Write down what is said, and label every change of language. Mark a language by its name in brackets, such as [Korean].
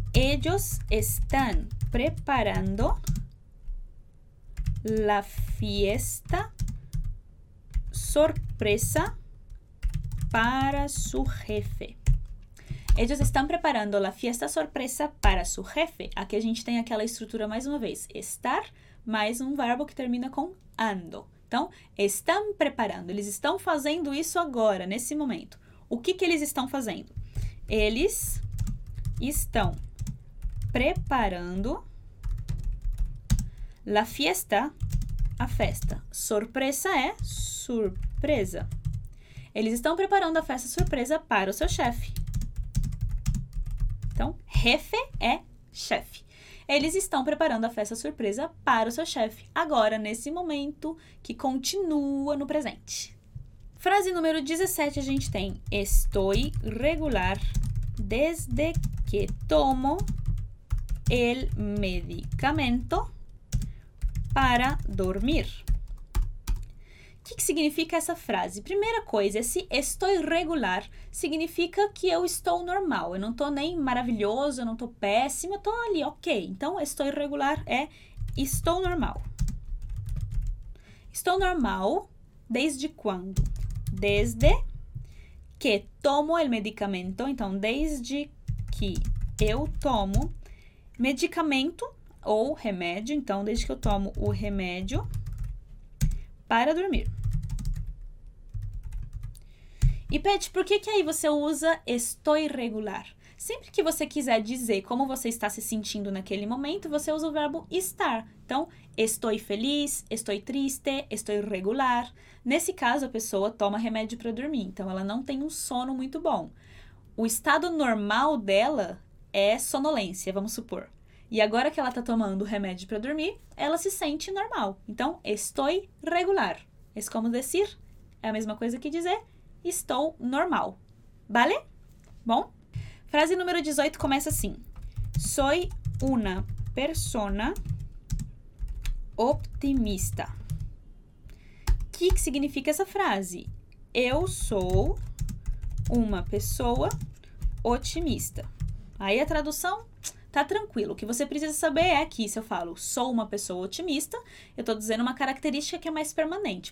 [Spanish] Ellos están preparando la fiesta sorpresa para su jefe. Ellos están preparando la fiesta sorpresa para su jefe. [Portuguese] Aqui a gente tem aquela estrutura mais uma vez. Estar mais um verbo que termina com ando. Então, [Spanish] están preparando. [Portuguese] Eles estão fazendo isso agora, nesse momento. O que, que eles estão fazendo? Eles estão preparando [Spanish] la fiesta, [Portuguese] a festa. Sorpresa é surpresa. Eles estão preparando a festa surpresa para o seu chefe. Então, jefe é chefe. Eles estão preparando a festa surpresa para o seu chefe. Agora, nesse momento, que continua no presente. Frase número 17, a gente tem. [Spanish] Estoy regular desde que tomo el medicamento para dormir. [Portuguese] O que, que significa essa frase? Primeira coisa, esse [Spanish] estoy regular [Portuguese] significa que eu estou normal. Eu não estou nem maravilhoso, eu não estou péssimo, eu estou ali, ok. Então, [Spanish] estoy regular [Portuguese] é estou normal. Estou normal desde quando? [Spanish] Desde que tomo el medicamento. [Portuguese] Então, desde que eu tomo medicamento ou remédio. Então, desde que eu tomo o remédio para dormir. E, Pet, por que aí você usa [Spanish] estoy regular? [Portuguese] Sempre que você quiser dizer como você está se sentindo naquele momento, você usa o verbo estar. [Spanish] Então, estoy feliz, estoy triste, estoy regular. [Portuguese] Nesse caso, a pessoa toma remédio para dormir, então ela não tem um sono muito bom. O estado normal dela é sonolência, vamos supor. E agora que ela está tomando remédio para dormir, ela se sente normal. Então, [Spanish] estoy regular. Es como decir, [Portuguese] é a mesma coisa que dizer, estou normal. Vale? Bom, frase número 18 começa assim. [Spanish] Soy una persona optimista. [Portuguese] O que significa essa frase? Eu sou uma pessoa otimista. Aí a tradução tá tranquilo. O que você precisa saber é que se eu falo sou uma pessoa otimista, eu tô dizendo uma característica que é mais permanente.